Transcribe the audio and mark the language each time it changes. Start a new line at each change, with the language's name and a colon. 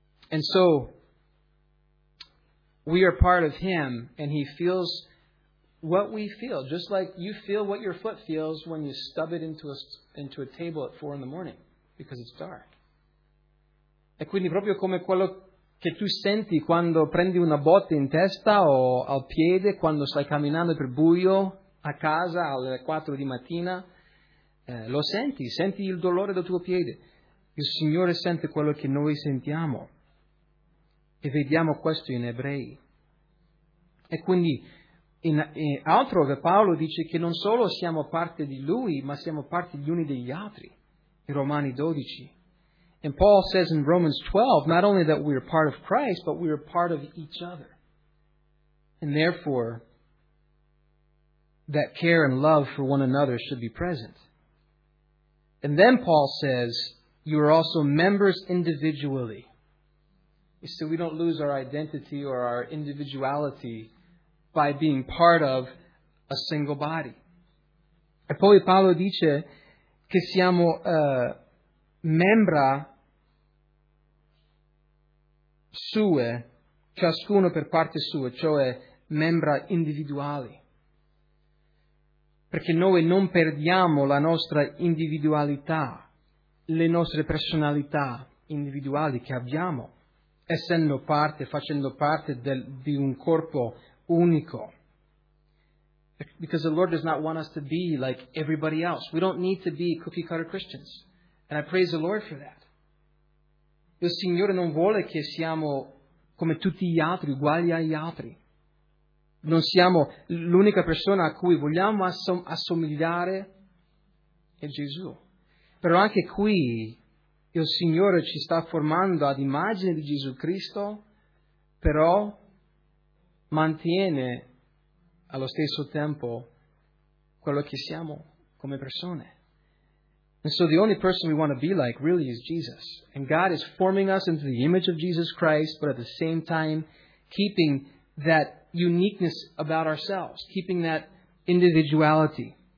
English: And so, we are part of Him, and He feels what we feel, just like you feel what your foot feels when you stub it into a table at 4 a.m, because it's dark.
Italian: E quindi proprio come quello che tu senti quando prendi una botta in testa o al piede, quando stai camminando per buio a casa alle 4 di mattina, lo senti il dolore del tuo piede. Il Signore sente quello che noi sentiamo e vediamo questo in Ebrei. E quindi in altrove Paolo dice che non solo siamo parte di Lui, ma siamo parte gli uni degli altri, in Romani 12.
English: And Paul says in Romans 12, not only that we are part of Christ, but we are part of each other. And therefore, that care and love for one another should be present. And then Paul says, you are also members individually. You see, we don't lose our identity or our individuality by being part of a single body.
Italian: E poi Paolo dice che siamo membra sue, ciascuno per parte sua, cioè membra individuali, perché noi non perdiamo la nostra individualità, le nostre personalità individuali che abbiamo, essendo parte, facendo parte di un corpo unico.
English: Because the Lord does not want us to be like everybody else. We don't need to be cookie cutter Christians, and I praise the Lord for that.
Italian: Il Signore non vuole che siamo come tutti gli altri, uguali agli altri. Non siamo l'unica persona a cui vogliamo assomigliare, è Gesù. Però anche qui il Signore ci sta formando ad immagine di Gesù Cristo, però mantiene allo stesso tempo quello che siamo come persone.
English: And so the only person we want to be like really is Jesus. And God is forming us into the image of Jesus Christ, but at the same time, keeping that uniqueness about ourselves, keeping that individuality.